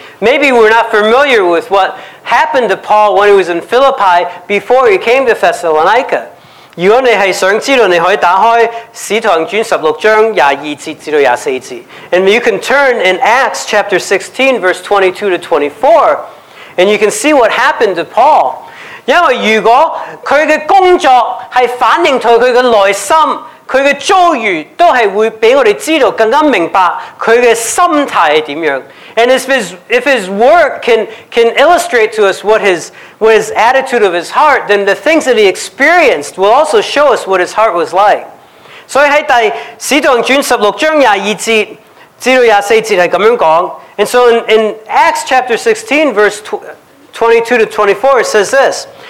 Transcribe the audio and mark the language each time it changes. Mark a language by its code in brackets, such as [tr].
[en] Maybe we're not familiar with what happened to Paul when he was in Philippi before he came to Thessalonica. [yue] 如果你係想知道，你可以打開《使徒行傳》16:22-24. [en] And you can turn in Acts chapter 16, verse 22-24, and you can see what happened to Paul. [yue] 因為如果佢嘅工作係反映到佢嘅內心，佢嘅遭遇都係會俾我哋知道更加明白佢嘅心態係點樣。 [en] And if his work can illustrate to us what his attitude of his heart, then the things that he experienced will also show us what his heart was like. [yue] 所以喺第《使徒行傳》16:22-24係咁樣講。 [en] And so in Acts chapter 16, verse 22-24, it says this.